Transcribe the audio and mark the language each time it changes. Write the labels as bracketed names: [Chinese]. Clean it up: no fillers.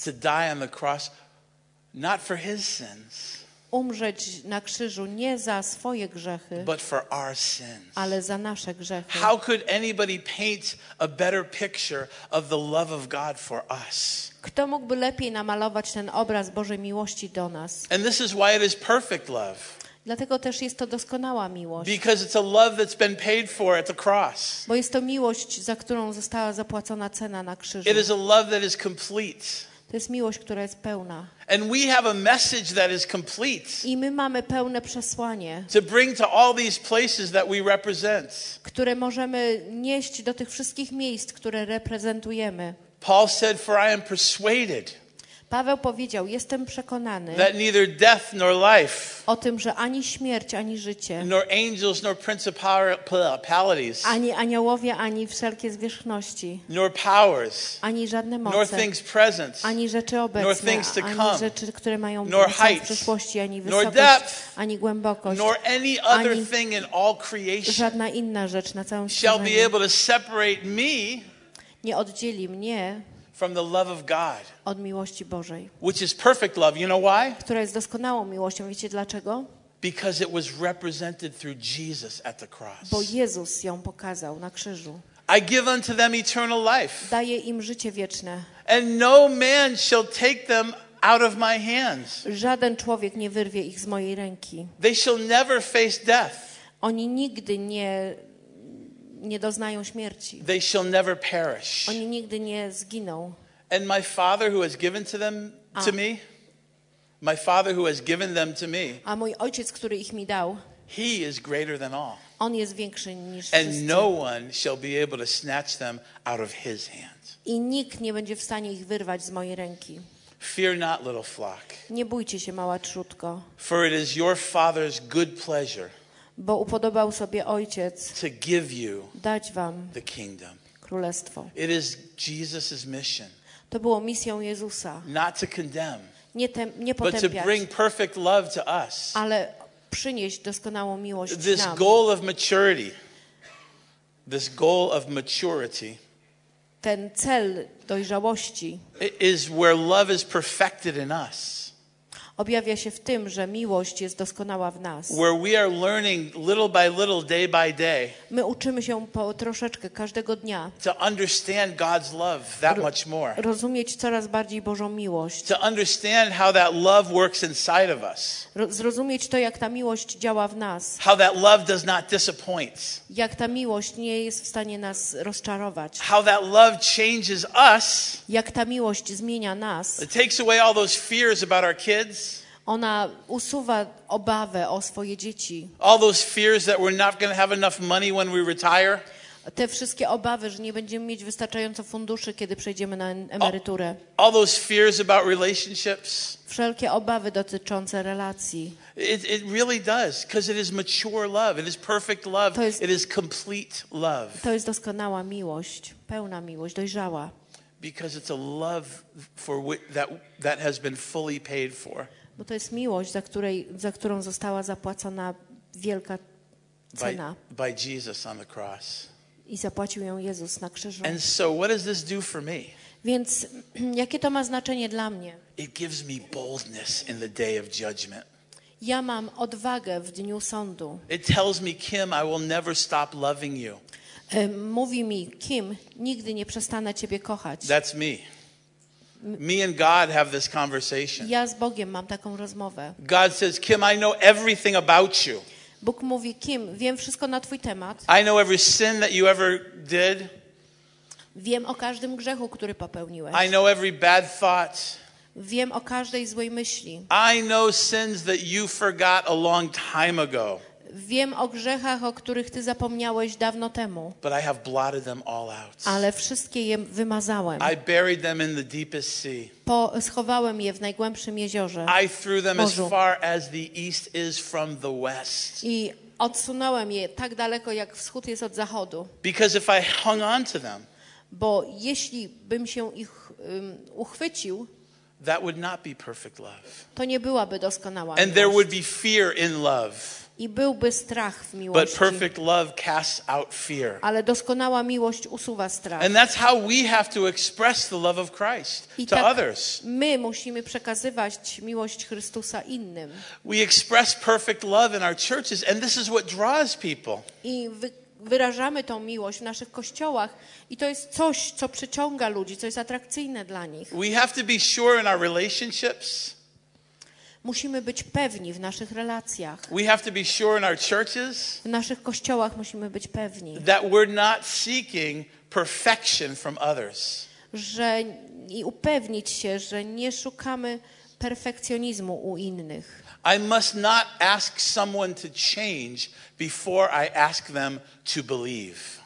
[English] To die on the cross, not for his sins. [Polish] Umrzeć na krzyżu nie za swoje grzechy, [English] but for our sins. [Polish] Ale za nasze grzechy. [English] How could anybody paint a better picture of the love of God for us? [Polish] Kto mógłby lepiej namalować ten obraz Bożej miłości do nas? [English] And this is why it is perfect love. [Polish] Dlatego też jest to doskonała miłość. [English] Because it's a love that's been paid for at the cross. [Polish] Bo jest to miłość, za którą została zapłacona cena na krzyżu. [English] It is a love that is complete. [Polish] To jest miłość, która jest pełna. [English] And we have a message that is complete. [Polish] I my mamy pełne przesłanie. [English] To bring to all these places that we represent. [Polish] Które możemy nieść do tych wszystkich miejsc, które reprezentujemy. [English] Paul said, "For I am persuaded." [Polish] Paweł powiedział: jestem przekonany, [English] that neither death nor life, [Polish] o tym, że ani śmierć, ani życie, [English] nor angels, nor principalities, [Polish] ani aniołowie, ani wszelkie zwierzchności, [English] nor powers, [Polish] ani żadne moce, [English] nor things present, [Polish] ani rzeczy obecne, [English] nor things to come, [Polish] ani rzeczy, które mają [English] nor heights, [Polish] w przyszłości, ani wysokość, [English] nor depth, [Polish] ani głębokość, [English] nor any other thing in all creation, [Polish] żadna inna rzecz na całym świecie, [English] shall be able to separate me, [Polish] nie oddzieli mnie [English] from the love of God, [Polish] od miłości Bożej, [English] which is perfect love. You know why? [Polish] Która jest doskonałą miłością. Wiecie dlaczego? [English] Because it was represented through Jesus at the cross. [Polish] Bo Jezus ją pokazał na krzyżu. [English] I give unto them eternal life. [Polish] Daję im życie wieczne. [English] And no man shall take them out of my hands. [Polish] Żaden człowiek nie wyrwie ich z mojej ręki. [English] They shall never face death. [Polish] Oni nigdy nie doznają śmierci. [English] They shall never perish. [Polish] Oni nigdy nie zginą. [English] And my Father who has given to them to me, my Father who has given them to me. [Polish] A mój Ojciec, który ich mi dał. [English] He is greater than all. [Polish] On jest większy niż wszyscy. [English] And no one shall be able to snatch them out of his hand. [Polish] I nikt nie będzie w stanie ich wyrwać z mojej ręki. [English] Fear not, little flock. [Polish] Nie bójcie się, mała trzódko. [English] For it is your Father's good pleasure. [Polish] Bo upodobał sobie Ojciec [English] to give you, [Polish] dać wam [English] the kingdom, [Polish] królestwo. [English] It is Jesus's mission. [Polish] To było misją Jezusa. [English] Not to condemn, [Polish] nie potępiać, [English] but to bring perfect love to us. [Polish] Ale przynieść doskonałą miłość [English] this [Polish] nam. [English] Goal of maturity, this goal of maturity, [Polish] ten cel dojrzałości, [English] is where love is perfected in us. [Polish] Objawia się w tym, że miłość jest doskonała w nas. [English] Where we are learning little by little, day by day. [Polish] My uczymy się po troszeczkę każdego dnia. [English] To understand God's love that much more. [Polish] Rozumieć coraz bardziej Bożą miłość. [English] To understand how that love works inside of us. [Polish] Zrozumieć to, jak ta miłość działa w nas. [English] How that love does not disappoint. [Polish] Jak ta miłość nie jest w stanie nas rozczarować. [English] How that love changes us. [Polish] Jak ta miłość zmienia nas. [English] It takes away all those fears about our kids. [Polish] Ona usuwa obawę o swoje dzieci. [English] All those fears that we're not going to have enough money when we retire. [Polish] Te wszystkie obawy, że nie będziemy mieć wystarczająco funduszy, kiedy przejdziemy na emeryturę. [English] All those fears about relationships. [Polish] Wszelkie obawy dotyczące relacji. [English] It really does, because it is mature love, it is perfect love, it is complete love. [Polish] To jest doskonała miłość, pełna miłość, dojrzała. [English] Because it's a love for that has been fully paid for. [Polish] Bo to jest miłość, za którą została zapłacona wielka cena. [English] By Jesus on the cross. [Polish] I zapłacił ją Jezus na krzyżu. [English] And so what does this do for me? [Polish] Więc jakie to ma znaczenie dla mnie? [English] It gives me boldness in the day of judgment. [Polish] Ja mam odwagę w dniu sądu. [English] It tells me, Kim, I will never stop loving you. [Polish] Mówi mi, Kim, nigdy nie przestanę ciebie kochać. [English] That's me. Me and God have this conversation. [Polish] Ja z Bogiem mam taką rozmowę. [English] God says, Kim, I know everything about you. [Polish] Bóg mówi, Kim, wiem wszystko na twój temat. [English] I know every sin that you ever did. [Polish] Wiem o każdym grzechu, który popełniłeś. [English] I know every bad thought. [Polish] Wiem o każdej złej myśli. [English] I know sins that you forgot a long time ago. [Polish] Wiem o grzechach, o których ty zapomniałeś dawno temu. [English] But I have blotted them all out. [Polish] Ale wszystkie je wymazałem. [English] I buried them in the deepest sea. [Polish] Schowałem je w najgłębszym jeziorze. [English] I threw them as far as the east is from the west. [Polish] I odsunąłem je tak daleko, jak wschód jest od zachodu. [English] Because if I hung on to them, [Polish] bo jeśli bym się ich uchwycił, [English] that would not be perfect love. [Polish] To nie byłaby doskonała miłość. [English] And there would be fear in love. [Polish] I byłby strach w miłości. [English] But perfect love casts out fear. [Polish] Ale doskonała miłość usuwa strach. [English] And that's how we have to express the love of Christ to others. [Polish] My musimy przekazywać miłość Chrystusa innym. [English] We express perfect love in our churches, and this is what draws people. [Polish] Wyrażamy tą miłość w naszych kościołach i to jest coś, co przyciąga ludzi, co jest atrakcyjne dla nich. [English] We have to be sure in our relationships. [Polish] Musimy być pewni w naszych relacjach. [English] We have to be sure in our churches. [Polish] W naszych kościołach musimy być pewni. [English] That we're not seeking perfection from others. [Polish] Że i upewnić się, że nie szukamy perfekcjonizmu u innych. [English] I must not ask someone to change before I ask them to believe.